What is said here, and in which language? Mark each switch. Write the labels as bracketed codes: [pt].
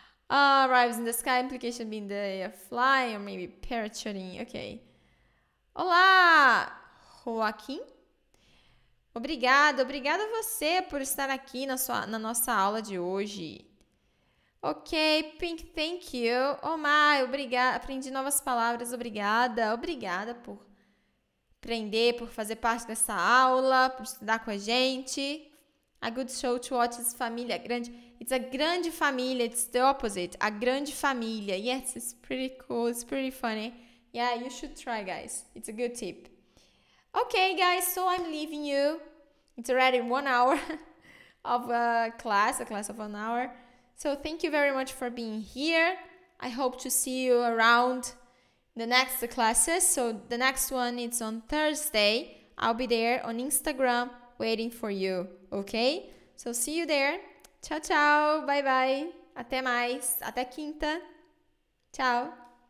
[en] Arrives in the sky, implication being the fly or maybe parachuting. [pt] Okay. Olá, Joaquim. Obrigada a você por estar aqui na nossa aula de hoje. [en] Ok, Pink, thank you. Omar, obrigada. [pt] Aprendi novas palavras, obrigada. Obrigada por aprender, por fazer parte dessa aula, por estudar com a gente. [en] A good show to watch is família grande. It's a grande família, it's the opposite. A grande família. Yes, it's pretty cool, it's pretty funny. Yeah, you should try, guys. It's a good tip. Ok, guys, so I'm leaving you. It's already 1 hour of a class of 1 hour. So thank you very much for being here. I hope to see you around the next classes. So the next one is on Thursday. I'll be there on Instagram waiting for you, okay? So see you there. [pt] Tchau, tchau. [en] Bye, bye. [pt] Até mais. Até quinta. Tchau.